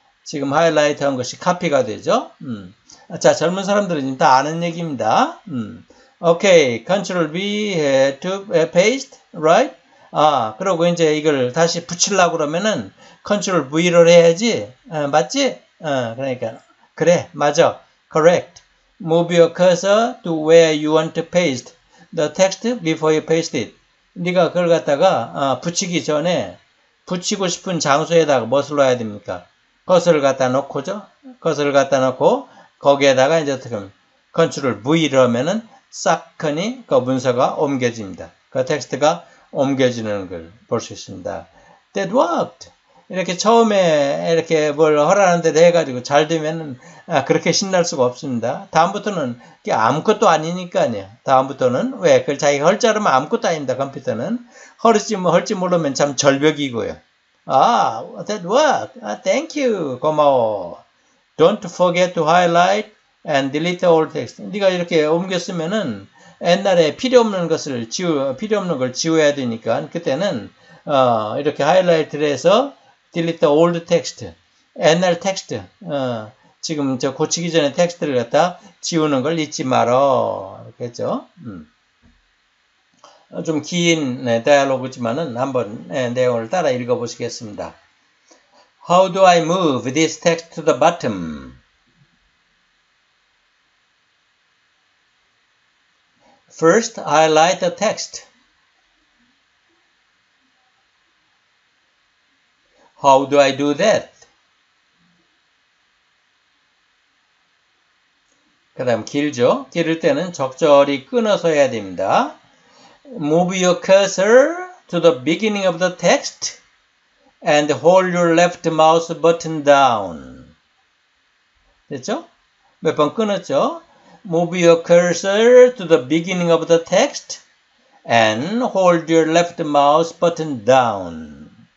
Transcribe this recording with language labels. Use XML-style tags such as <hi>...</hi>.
<ko>지금 하이라이트 한 것이 카피가 되죠? 자, 젊은 사람들은 다 아는 얘기입니다.</ko> <en>Okay, Ctrl V to paste, right?</en> <ko>아, 그리고 이제 이걸 다시 붙이려고 그러면은 Ctrl V를 해야지. 맞지? 그러니까. 그래, 맞아.</ko> <en>Correct. Move your cursor to where you want to paste the text before you paste it.</en> <ko>네가 그걸 갖다가 붙이기 전에 붙이고 싶은 장소에다가 무엇을 놔야 됩니까? 것을 갖다 놓고죠. 것을 갖다 놓고 거기에다가 이제 지금 컨트롤 V를 하면은 싹하니 그 문서가 옮겨집니다. 그 텍스트가 옮겨지는 걸 볼 수 있습니다.</ko> <en>That worked.</en> <ko>이렇게 처음에 이렇게 뭘 하라는 데 해가지고 잘 되면은 그렇게 신날 수가 없습니다. 다음부터는 이게 아무것도 아니니까요. 다음부터는 왜 그걸 자기 할 줄 알으면 아무것도 아닙니다. 컴퓨터는 할지 뭐 할지 모르면 참 절벽이고요.</ko> <en>아, that work. 아, thank you.</en> <ko>고마워.</ko> <en>Don't forget to highlight and delete all text.</en> <ko>네가 이렇게 옮겼으면은 옛날에 필요없는 걸 지워야 되니까 그때는 이렇게 하이라이트를 해서</ko> <en>delete old text.</en> <ko>옛날 text. 지금 저 고치기 전에 텍스트를 갖다 지우는 걸 잊지 마라. 그랬죠? 좀 긴 대화로그지만은 한번 내용을 따라 읽어보시겠습니다.</ko> <en>How do I move this text to the bottom? First, highlight the text. How do I do that?</en> <ko>그 다음 길죠? 길을 때는 적절히 끊어서 해야 됩니다.</ko> <en>Move your cursor to the beginning of the text and hold your left mouse button down.</en> <ko>됐죠? 몇 번 끊었죠?</ko> <en>Move your cursor to the beginning of the text and hold your left mouse button down.</en>